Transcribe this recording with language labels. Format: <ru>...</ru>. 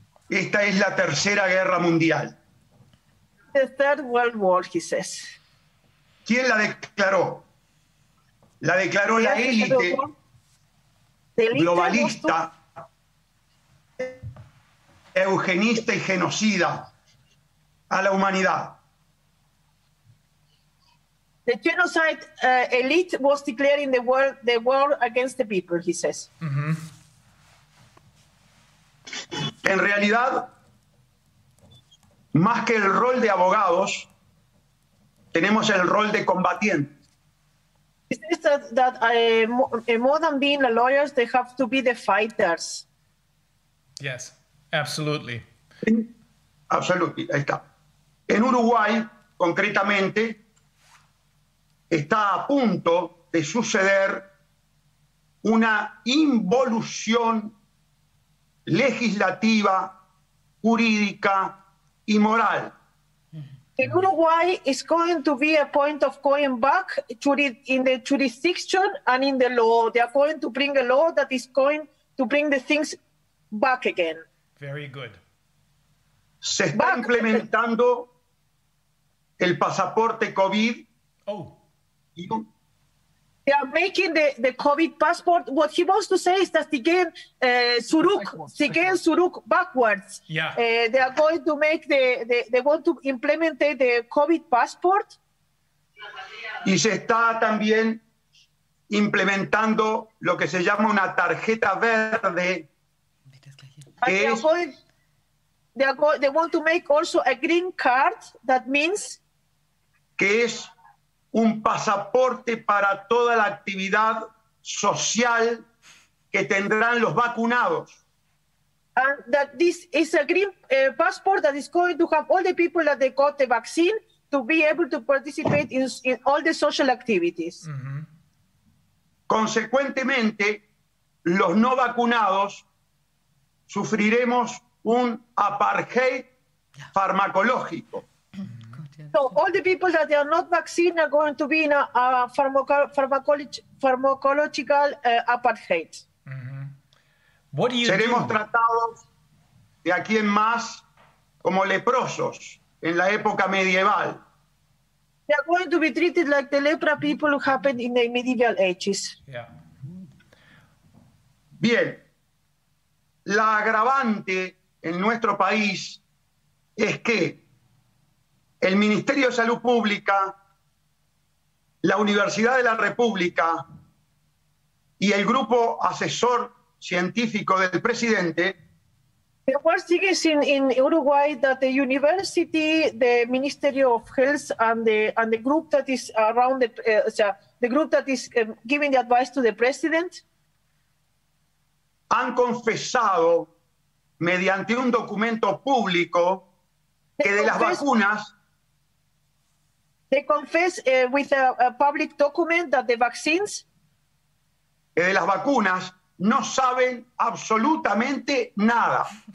<es>Esta es la tercera guerra mundial.</es> <en>The third world war, he says.</en> <es>¿Quién la declaró? La declaró la élite globalista, eugenista y genocida a la humanidad.</es> <en>The genocide elite was declaring the war against the people, he says. Mm-hmm.</en> <es>En realidad, más que el rol de abogados, tenemos el rol de combatientes.</es> <en>He says that more than being the lawyers, they have to be the fighters. Yes. Absolutely. Absolutely.</en> <es>Ahí está. En Uruguay, concretamente, está a punto de suceder una involución legislativa, jurídica y moral.</es> <en>In Uruguay is going to be a point of going back to in the jurisdiction and in the law. They are going to bring a law that is going to bring the things back again. Very good. Se está implementando el pasaporte COVID. Oh. They are making the COVID passport. What he wants to say is that again, suruk backwards. Yeah. They are going to make they want to implement the COVID passport.</en> <es>Y se está también implementando lo que se llama una tarjeta verde.</es> <en>They want to make also a green card, that means</en> <es>que es un pasaporte para toda la actividad social que tendrán los vacunados.</es> <en>And that this is a green passport that is going to have all the people that they got the vaccine to be able to participate in all the social activities. Mm-hmm.</en> <es>Consecuentemente, los no vacunados sufriremos un apartheid farmacológico.</es> <en>So all the people that are not vaccinated are going to be in a pharmacological apartheid. Mm-hmm. What do you</en> <es>Seremos</es> <en>do?</en> <es>Tratados de aquí en más como leprosos en la época medieval.</es> <en>They are going to be treated like the lepra people who happened in the medieval ages. Yeah.</en> <es>Bien. La agravante en nuestro país es que el Ministerio de Salud Pública, la Universidad de la República y el grupo asesor científico del presidente.</es> <en>The worst thing is in Uruguay that the university, the Ministry of Health and the group that is around the group that is giving the advice to the president.</en> <es>Han confesado mediante un documento público que de las vacunas.</es> <en>They confess with a public document that the vaccines.</en> <es>Que de las vacunas no saben absolutamente nada.</es>